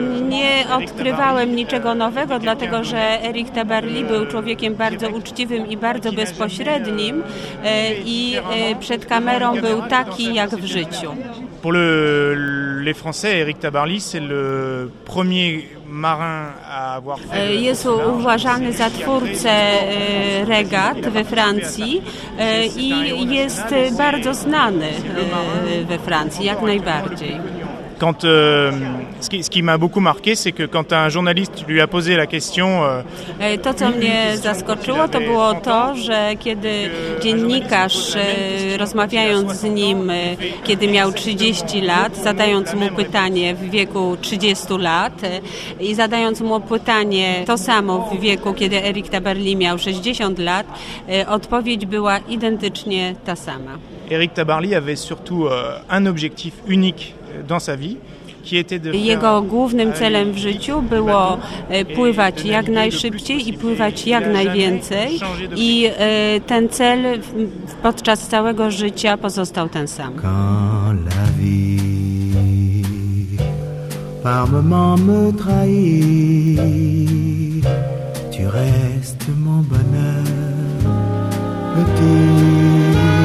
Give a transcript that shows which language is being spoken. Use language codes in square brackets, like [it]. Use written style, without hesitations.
[pl] Nie odkrywałem niczego nowego, dlatego że Eric Tabarly był człowiekiem bardzo uczciwym i bardzo bezpośrednim i przed kamerą był taki jak w życiu. [fr] Pour les Français, Eric Tabarly, c'est le premier marin à avoir fait. [pl] Jest uważany za twórcę regat we Francji i jest bardzo znany we Francji, jak najbardziej. [fr] Quand ce qui m'a beaucoup marqué, c'est que quand un journaliste lui a posé la question. [pl] To, co mnie zaskoczyło, to było to, że kiedy dziennikarz rozmawiając z nim, kiedy miał 30 lat, zadając mu pytanie w wieku 30 lat i zadając mu pytanie to samo w wieku, kiedy Eric Tabarly miał 60 lat, odpowiedź była identycznie ta sama. [fr] Eric Tabarly avait surtout un objectif unique dans sa vie. [pl] Jego głównym celem w życiu było pływać jak najszybciej i pływać jak najwięcej i ten cel podczas całego życia pozostał ten sam. [fr] Quand la vie par moment me trahit, tu restes mon bonheur petit